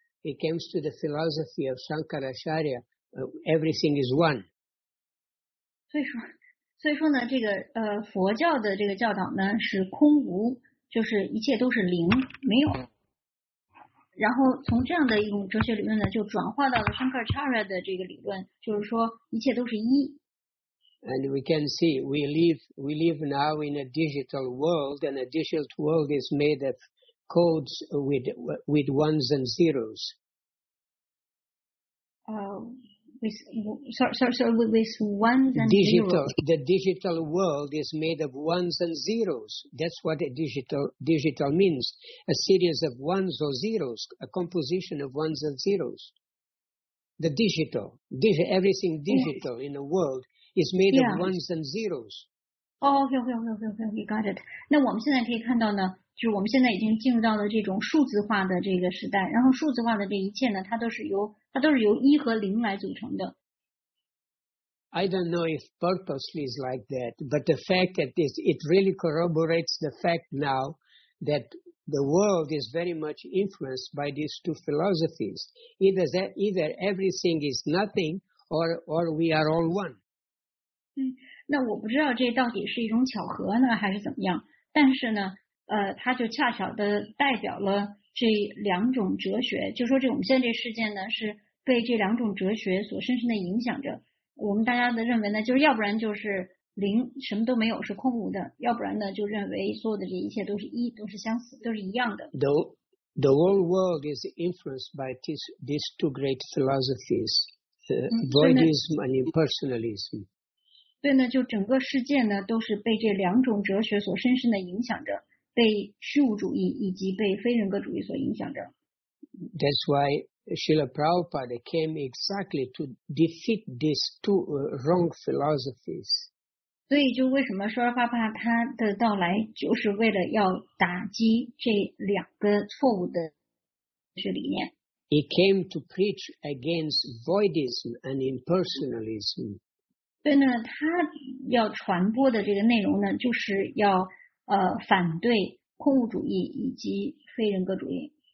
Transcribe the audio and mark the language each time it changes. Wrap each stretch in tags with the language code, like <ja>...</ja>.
<en>It comes to the philosophy of Shankaracharya, everything is one.</en> <zh>所以说呢，这个佛教的这个教导呢是空无，就是一切都是零，没有。然后从这样的一种哲学理论呢，就转化到了 Shankaracharya 的这个理论，就是说一切都是一。</zh> <en>And we can see we live now in a digital world, and a digital world is made of codes with ones and zeros. With ones and digital, zeros. The digital world is made of ones and zeros. That's what a digital means: a series of ones or zeros, a composition of ones and zeros. The everything digital in the world. Is made of ones and zeros. Okay, got it.</en> <zh>那我们现在可以看到呢，就是我们现在已经进入到了这种数字化的这个时代。然后数字化的这一切呢，它都是由一和零来组成的。</zh> <en>I don't know if purposely is like that, but the fact that it really corroborates the fact now that the world is very much influenced by these two philosophies. Either everything is nothing, or we are all one.</en> <zh>那我不知道这到底是一种巧合呢还是怎么样，但是呢它就恰巧的代表了这两种哲学，就说这我们现在这事件呢是被这两种哲学所深深的影响着。我们大家的认为呢，就是要不然就是零什么都没有是空无的，要不然呢就认为所有的这一切都是一，都是相似，都是一样的。</zh> <en>The whole world is influenced by these two great philosophies, voidism and impersonalism.</en> <zh>所以呢，就整个世界呢，都是被这两种哲学所深深的影响着，被虚无主义以及被非人格主义所影响着。</zh> <en>That's why Srila Prabhupada came exactly to defeat these two wrong philosophies.</en> <zh>所以，就为什么说阿巴巴他的到来，就是为了要打击这两个错误的学理念。</zh> <en>He came to preach against voidism and impersonalism.</en> <zh>所以呢，他要传播的这个内容呢，就是要反对空无主义以及非人格主义。</zh>